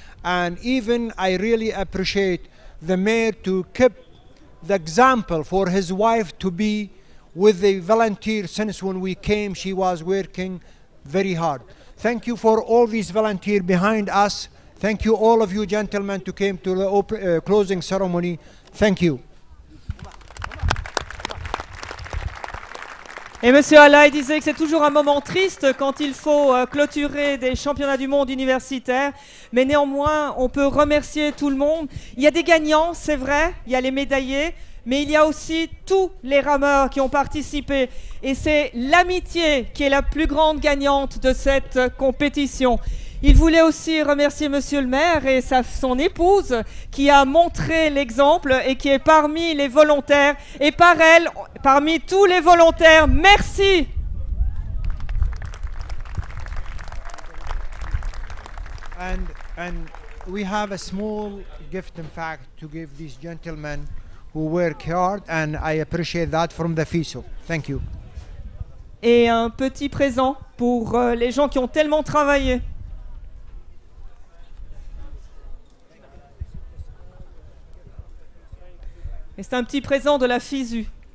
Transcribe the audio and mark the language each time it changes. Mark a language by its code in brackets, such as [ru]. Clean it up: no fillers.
[en] And even I really appreciate the mayor to keep the example for his wife to be with the volunteer since when we came, she was working very hard. Thank you for all these volunteers behind us. Thank you all of you gentlemen to came to the closing ceremony. Thank you. [fr] Et Monsieur Al-Hai disait que c'est toujours un moment triste quand il faut clôturer des championnats du monde universitaires. Mais néanmoins, on peut remercier tout le monde. Il y a des gagnants, c'est vrai, il y a les médaillés, mais il y a aussi tous les rameurs qui ont participé. Et c'est l'amitié qui est la plus grande gagnante de cette compétition. Il voulait aussi remercier Monsieur le maire et son épouse qui a montré l'exemple et qui est parmi les volontaires. Et par elle, parmi tous les volontaires, merci! [en] And we have a small gift, in fact, to give these gentlemen who work hard, and I appreciate that from the FISU. Thank you. [fr] Et un petit présent pour les gens qui ont tellement travaillé. Et c'est un petit présent de la FISU.